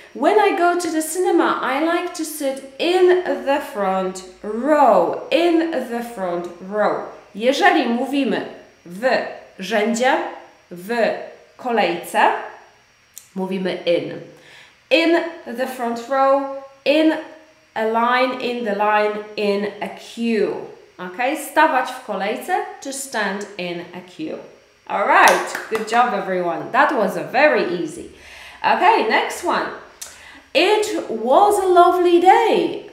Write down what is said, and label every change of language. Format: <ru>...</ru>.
<en>When I go to the cinema, I like to sit in the front row. In the front row.</en> <pl>Jeżeli mówimy w rzędzie, w kolejce, mówimy in.</pl> <en>In the front row, in a line, in the line, in a queue. Ok?</en> <pl>Stawać w kolejce,</pl> <en>to stand in a queue. Alright, good job everyone. That was a very easy. Ok, next one. It was a lovely day.</en>